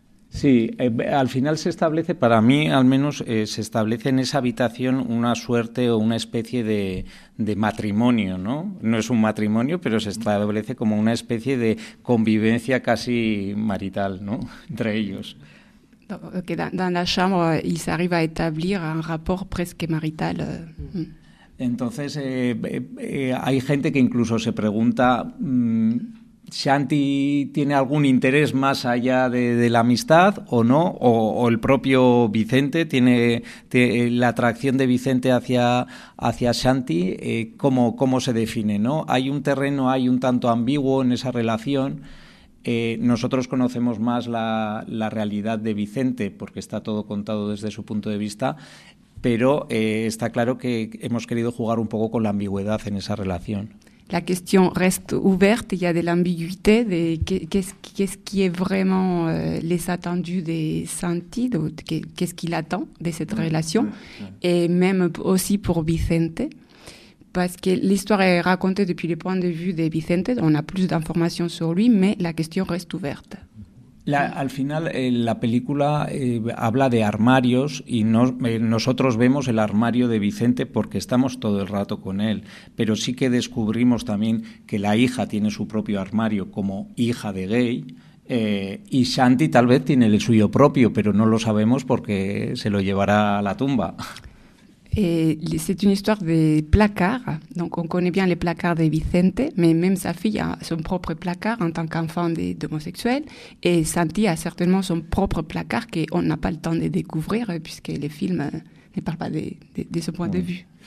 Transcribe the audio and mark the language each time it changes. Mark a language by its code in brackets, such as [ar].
[es] Sí, al final se establece, para mí al menos, se establece en esa habitación una suerte o una especie de matrimonio, ¿no? No es un matrimonio, pero se establece como una especie de convivencia casi marital, ¿no?, entre ellos. [fr] Que dans la chambre, il arrive à établir un rapport presque marital. [es] Entonces, hay gente que incluso se pregunta Shanti tiene algún interés más allá de la amistad o no, o el propio Vicente tiene la atracción de Vicente hacia Shanti, ¿cómo se define, no? Hay un terreno, hay un tanto ambiguo en esa relación. Nosotros conocemos más la realidad de Vicente porque está todo contado desde su punto de vista, pero está claro que hemos querido jugar un poco con la ambigüedad en esa relación. [fr] La question reste ouverte, il y a de l'ambiguïté, de qu'est-ce qui est vraiment les attendus de Santi, qu'est-ce qu'il attend de cette relation, et même aussi pour Vicente, parce que l'histoire est racontée depuis le point de vue de Vicente, on a plus d'informations sur lui, mais la question reste ouverte. [es] Al final, la película habla de armarios y nosotros vemos el armario de Vicente porque estamos todo el rato con él, pero sí que descubrimos también que la hija tiene su propio armario como hija de gay y Shanti tal vez tiene el suyo propio, pero no lo sabemos porque se lo llevará a la tumba. [fr] C'est une histoire de placard, donc on connaît bien les placards de Vicente, mais même sa fille a son propre placard en tant qu'enfant d'homosexuel, et Santi a certainement son propre placard qu'on n'a pas le temps de découvrir, puisque les films ne parlent pas de ce point de vue.